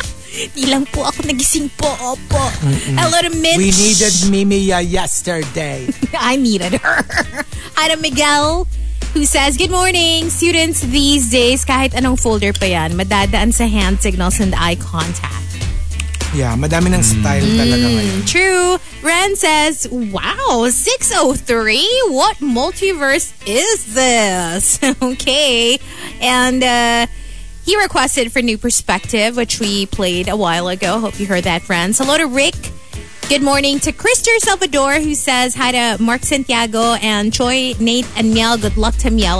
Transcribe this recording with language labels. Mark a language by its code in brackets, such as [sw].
[tl] Di lang po ako nagising po, opo. [en] Hello to Mitch. We needed Mimi yesterday. I needed her. Hi to Miguel, who says, good morning, students these days, [tl] kahit anong folder pa yan, madadaan sa [en] hand signals and eye contact. [tl] Yeah, madami ng style talaga ngayon. [en] True. Ren says, wow, 603? What multiverse is this? Okay. And he requested For New Perspective, which we played a while ago. Hope you heard that, friends. Hello to Rick. Good morning to Christer Salvador, who says hi to Mark Santiago and Choi, Nate, and Miel. Good luck to Miel.